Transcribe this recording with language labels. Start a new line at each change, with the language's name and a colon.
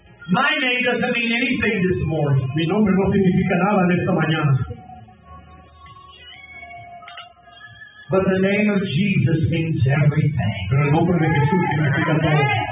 English: My name doesn't mean anything this morning.
Spanish: Mi nombre no significa nada en esta mañana.
English: But the name of Jesus means everything.
Spanish: Pero el nombre de Jesús significa todo.